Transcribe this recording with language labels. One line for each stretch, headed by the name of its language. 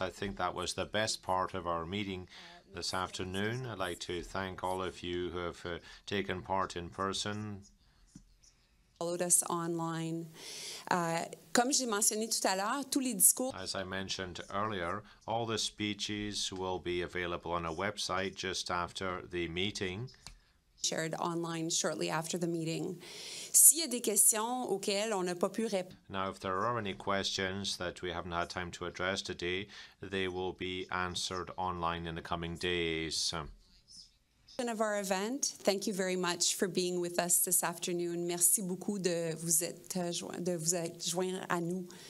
English: I think that was the best part of our meeting this afternoon. I'd like to thank all of you who have taken part in person. Followed us online.
French: Comme j'ai mentionné tout à l'heure, tous les discours...
English: As I mentioned earlier, all the speeches will be available on a website just after the meeting. Shared online shortly after the meeting.
French: S'il y a des questions auxquelles on n'a pas pu répondre...
English: Now, if there are any questions that we haven't had time to address today, they will be answered online in the coming days. Of our event. Thank you very much for being with us this afternoon.
French: Merci beaucoup de vous être joint à nous.